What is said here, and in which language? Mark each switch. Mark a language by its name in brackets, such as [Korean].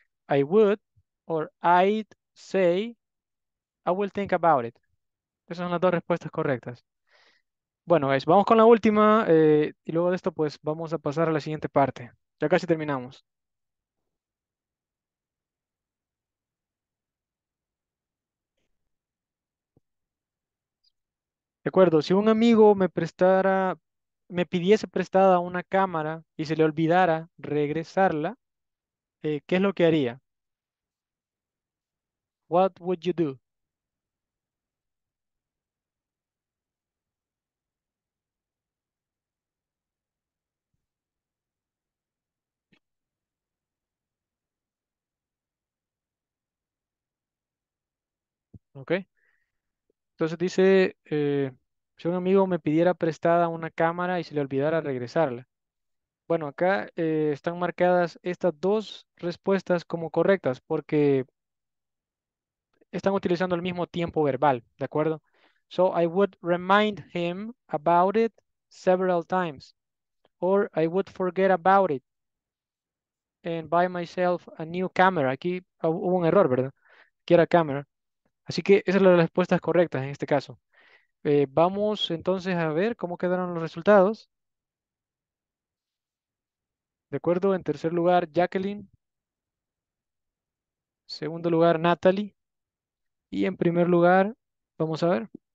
[English] I would, or I'd say, I will think about it. [Spanish] Esas son las dos respuestas correctas. Bueno, guys, vamos con la última, y luego de esto, pues, vamos a pasar a la siguiente parte. Ya casi terminamos. De acuerdo, si un amigo me pidiese prestada una cámara y se le olvidara regresarla, ¿qué es lo que haría? [English] What would you do? [Spanish] Okay. Entonces dice, si un amigo me pidiera prestada una cámara y se le olvidara regresarla. Bueno, acá están marcadas estas dos respuestas como correctas porque están utilizando el mismo tiempo verbal, ¿de acuerdo? [English] So I would remind him about it several times. Or I would forget about it and buy myself a new camera. [Spanish] Aquí hubo un error, ¿verdad? Quiero cámara. Así que esas son las respuestas correctas en este caso. Vamos entonces a ver cómo quedaron los resultados. De acuerdo, en tercer lugar, Jacqueline. Segundo lugar, Natalie. Y en primer lugar, vamos a ver.